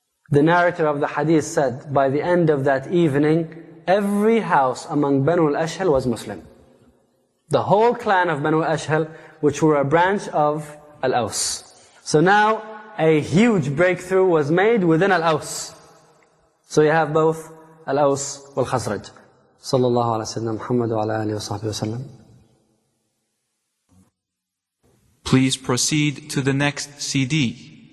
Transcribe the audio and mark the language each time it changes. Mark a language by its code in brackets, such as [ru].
[en] The narrator of the hadith said, by the end of that evening, every house among Banu al-Ashhal was Muslim. The whole clan of Banu al-Ashhal, which were a branch of Al-Aws. So now, a huge breakthrough was made within Al-Aws. So you have both Al-Aws wal-Khazraj. [ar] صلى الله على سيدنا محمد وعلى آله وصحبه وسلم. [en] Please proceed to the next CD.